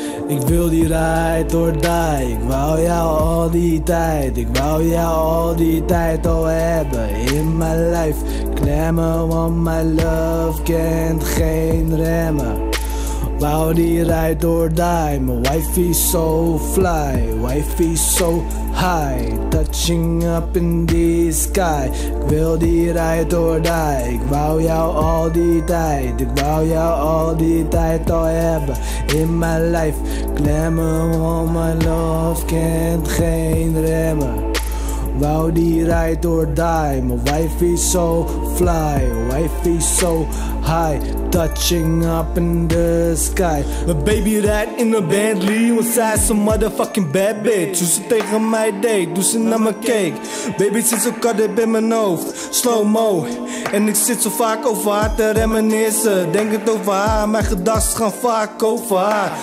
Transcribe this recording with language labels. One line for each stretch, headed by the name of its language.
Dutch: Ik wil die
English: ride or die,
Dutch: ik wou jou al die tijd. Ik wou jou al die tijd al hebben in mijn lijf. Klemmen, want
English: my love
Dutch: kent geen remmen. Wou die
English: ride or die, my wife is so fly. Wife is so high, touching up in the sky.
Dutch: Ik wil die
English: ride or die,
Dutch: ik wou jou al die tijd. Ik wou jou al die tijd al hebben in
English: my life.
Dutch: Klemmen, want
English: my love
Dutch: kent geen remmen. Wou die
English: ride or die, my wife is so fly. Wife is so high, touching up in the sky.
Dutch: My baby rijdt in een Bentley, want zij is een
English: motherfucking bad bitch.
Dutch: Hoe ze tegen mij deed, doe ze naar mijn cake. Baby zit zo kort in mijn hoofd,
English: slow mo.
Dutch: En ik zit zo vaak over haar te reminissen. Denk het over haar, mijn gedachten gaan vaak over haar.